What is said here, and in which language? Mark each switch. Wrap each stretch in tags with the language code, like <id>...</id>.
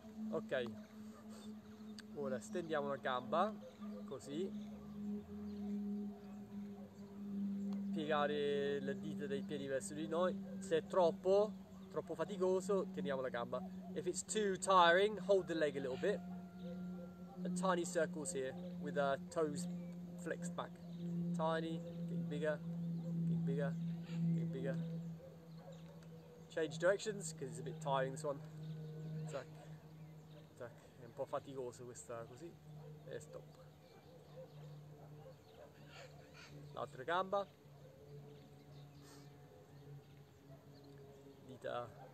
<it>Ok, ora stendiamo la gamba così, piegare le dita dei piedi verso di noi. Se è troppo faticoso, teniamo la gamba.</it> <en>If it's too tiring, hold the leg a little bit. Tiny circles here with our toes flexed back. Tiny, getting bigger, getting bigger, getting bigger. Change directions because it's a bit tiring this one.</en> <it>Tac, tac, è un po' faticoso questa così. E stop. L'altra gamba. Dita.</it>